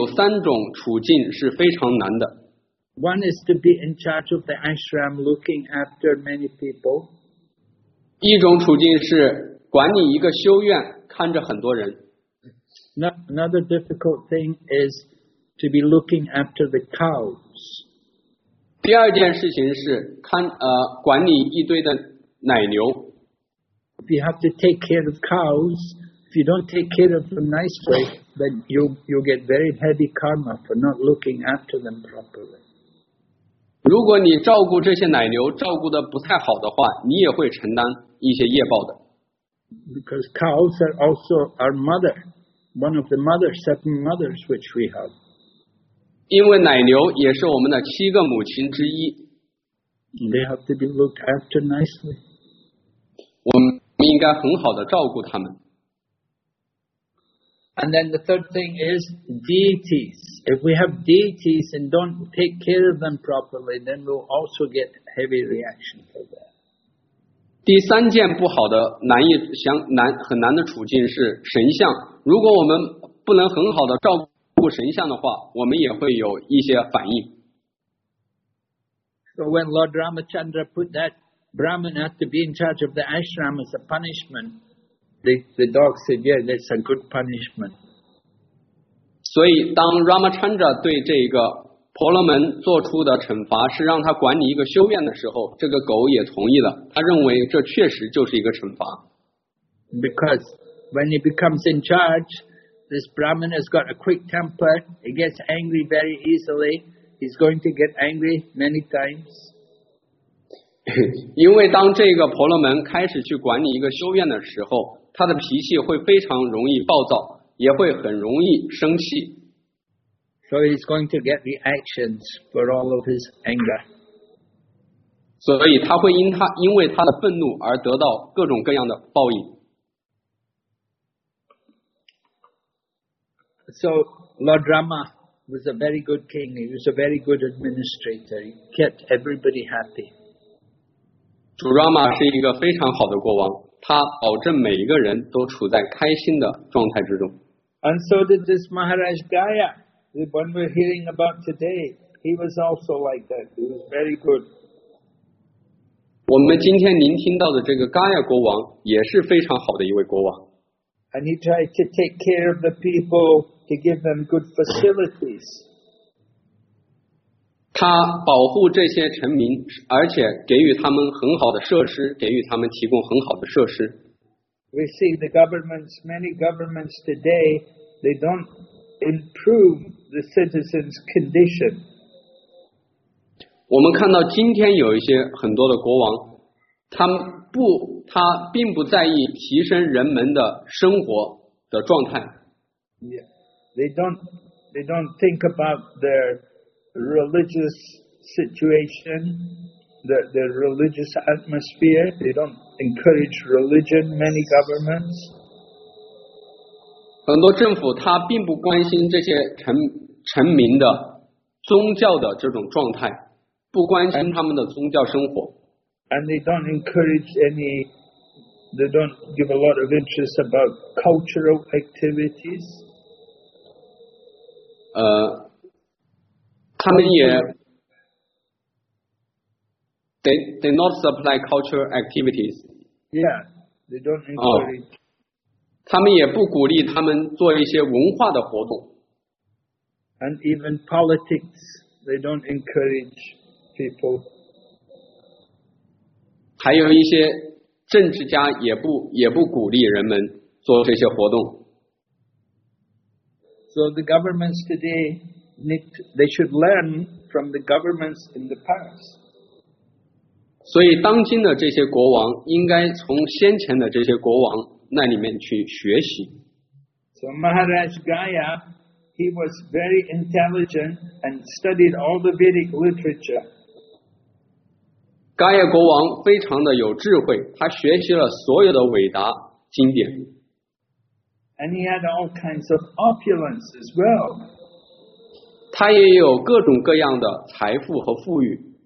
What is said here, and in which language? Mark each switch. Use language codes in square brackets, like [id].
[zh] 在物质世界有三种处境是非常难的。 [en] One is to be in charge of the ashram, looking after many people. [zh] 一种处境是管理一个修院，看着很多人。 [en] Another difficult thing is to be looking after the cows. [zh] 第二件事情是管理一堆的奶牛。 [en] If you have to take care of cows, if you don't take care of them nicely, then you'll get very heavy karma for not looking after them properly. [zh] 如果你照顾这些奶牛照顾的不太好的话，你也会承担一些业报的。 [en] Because cows are also our mother, one of the mother seven mothers which we have. [zh] 因为奶牛也是我们的七个母亲之一。 [en] They have to be looked after nicely. [zh] 我们应该很好的照顾他们。 [en] And then the third thing is deities. If we have deities and don't take care of them properly, then we'll also get heavy reaction for that. [zh] 第三件不好的难以想难很难的处境是神像。如果我们不能很好的照顾神像的话，我们也会有一些反应。 [en] So when Lord Ramachandra put that Brahmana to be in charge of the ashram as a punishment,The dog said, yeah, that's a good punishment. [zh] 所以当 Ramachandra 对这个婆罗门做出的惩罚是让他管理一个修院的时候，这个狗也同意了，他认为这确实就是一个惩罚。 [en] Because when he becomes in charge, this Brahmin has got a quick temper, he gets angry very easily, he's going to get angry many times. [zh] 因为当这个婆罗门开始去管理一个修院的时候，他的脾气会非常容易暴躁，也会很容易生气。 [en] So he's going to get reactions for all of his anger. [zh] 所以他会因为他的愤怒而得到各种各样的报应。 [en] So Lord Rama was a very good king. He was a very good administrator. He kept everybody happy. [zh] 主拉玛是一个非常好的国王，他保证每一个人都处在开心的状态之中。 [en] And so did this Maharaj Gaya, the one we're hearing about today. He was also like that. He was very good. [zh] 我们今天聆听到的这个 Gaya 国王也是非常好的一位国王。 [en] And he tried to take care of the people to give them good facilities. [zh] 他保护这些臣民，而且给予他们很好的设施，给予他们提供很好的设施。 [en] We see the governments, many governments today, they don't improve the citizens' condition. [zh] 我们看到今天有一些很多的国王，他并不在意提升人们的生活的状态。 [en] They don't think about their. Religious situation, the religious atmosphere. They don't encourage religion. Many governments. [zh] 很多政府他并不关心这些臣民的宗教的这种状态，不关心他们的宗教生活。 [en] And they don't encourage any. They don't give a lot of interest about cultural activities. [zh] 他们也 [en] they not supply cultural activities. Yeah, they don't encourage. [zh] 他们也不鼓励他们做一些文化的活动。 [en] And even politics, they don't encourage people. [zh] 还有一些政治家也不鼓励人们做这些活动。 [en] So the governments today. They should learn from the governments in the past. [zh] 所以当今的这些国王应该从先前的这些国王那里面去学习。 [en] So Maharaj Gaya, he was very intelligent and studied all the Vedic literature. [zh] Gaya 国王非常的有智慧，他学习了所有的伟达经典。 [en] And he had all kinds of opulence as well. [zh] 他也有各种各样的财富和富裕。